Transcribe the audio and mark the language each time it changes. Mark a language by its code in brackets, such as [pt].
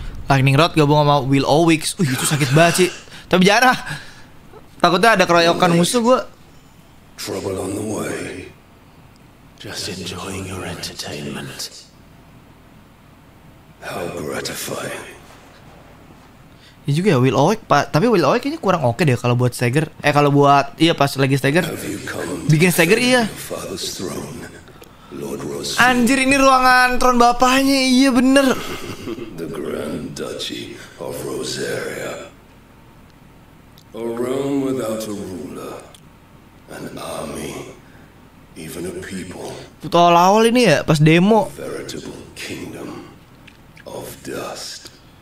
[id] Lightning Rod gabung sama Will Owix. Wih itu sakit banget sih. Tapi jangan lah. Takutnya ada keroyokan musuh gue. [en] Trouble on the way. Just enjoying your entertainment. How gratifying. [id] Ini juga ya Will Owix, Pak. Tapi Will Owix kayaknya kurang oke deh kalau buat stagger. Kalau buat iya pas lagi stagger. Bikin stagger iya. Anjir ini ruangan tron bapaknya. Iya bener. [en] Duchy of Rosaria, a realm without a ruler, an army, even a people. [id] Putar awal ini ya, pas demo. [en] A veritable kingdom of dust.